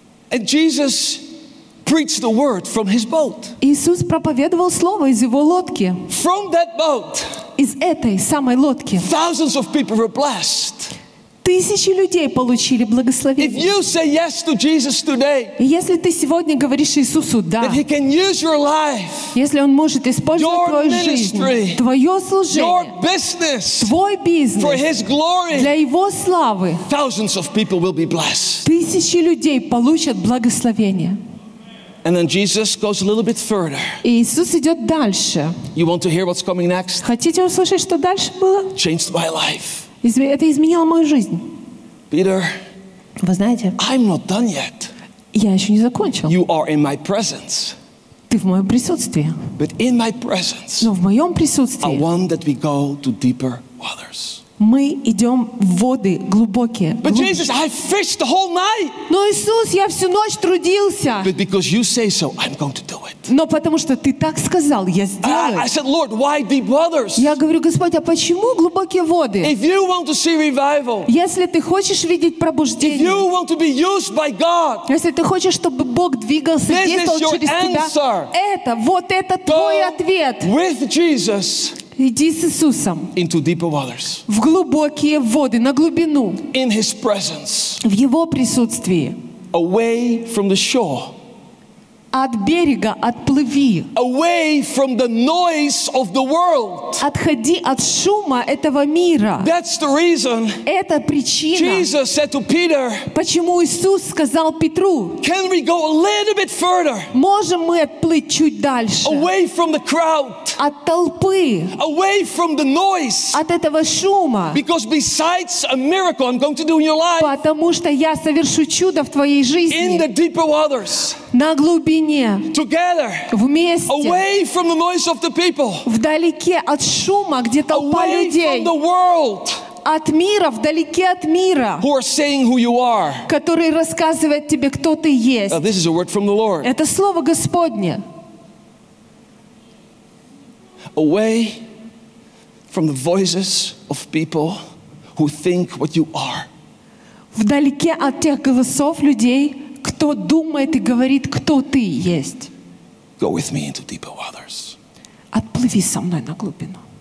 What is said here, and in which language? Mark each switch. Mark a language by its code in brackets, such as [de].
[en] And Jesus preached the word from his boat. [ru] Иисус проповедовал слово из его лодки. [en] From that boat. [ru] Из этой самой лодки. [en] Thousands of people were blessed. [ru] Тысячи людей получили благословение. [en] If you say yes to Jesus today. [ru] Если ты сегодня говоришь Иисусу да. [en] That he can use your life. [ru] Если он может использовать твою жизнь. Твое служение. [en] Your business. [ru] Твой бизнес. [en] For his glory. [ru] Для его славы. [en] Thousands of people will be blessed. [ru] Тысячи людей получат благословение. [en] And then Jesus goes a little bit further. [ru] Иисус идет дальше. [en] You want to hear what's coming next? [ru] Хотите услышать, что дальше было? [en] Changed my life. [ru] Это изменило мою жизнь. [en] Peter, [ru] вы знаете, [en] I'm not done yet. [ru] Я еще не закончил. [en] You are in my presence. [ru] Ты в моем присутствии. [en] But in my presence, [ru] но в моем присутствии [en] I want that we go to deeper waters. [ru] Мы идем в воды глубокие. [en] But Jesus, I fished the whole night. [ru] Но Иисус, я всю ночь трудился. [en] But because you say so, I'm going to do it. [ru] Но потому что ты так сказал, я сделаю. [en] I said, Lord, why deep waters? [ru] Я говорю, Господь, а почему глубокие воды? [en] If you want to see revival, [ru] если ты хочешь видеть пробуждение, [en] if you want to be used by God, [ru] если ты хочешь, чтобы Бог двигался [en] this [ru] и действовал через [en] answer. [ru] Тебя, это, вот это твой ответ. [en] With Jesus. [ru] Иди с Иисусом. [en] Into deeper waters. [ru] В глубокие воды, на глубину. [en] In his presence. [ru] В его присутствии. [en] Away from the shore. [ru] От берега отплыви. [en] Away from the noise of the world. [ru] Отходи от шума этого мира. [en] That's the reason. [ru] Это причина. [en] Jesus said to Peter. [ru] Почему Иисус сказал Петру? [en] Can we go a little bit further? [ru] Можем мы отплыть чуть дальше? [en] Away from the crowd. [ru] От толпы. [en] Away from the noise. [ru] От этого шума. [en] Because besides a miracle I'm going to do in your life. [ru] Потому что я совершу чудо в твоей жизни. [en] In the deeper waters. [ru] На глубине. [en] Together, [ru] вместе. [en] Away from the noise of the people. [ru] Вдалеке от шума, где толпа [en] away [ru] людей. [en] From the world. [ru] От мира, вдалеке от мира. [en] Who are saying who you are. [ru] Который рассказывает тебе, кто ты есть. [en] This is a word from the Lord. [ru] Это слово Господне. [en] Away from the voices of people who think what you are. [ru] Вдалеке от тех голосов людей, кто думает и говорит, кто ты есть. [en] Go with me into deeper waters. [ru] Отплыви со мной на глубину.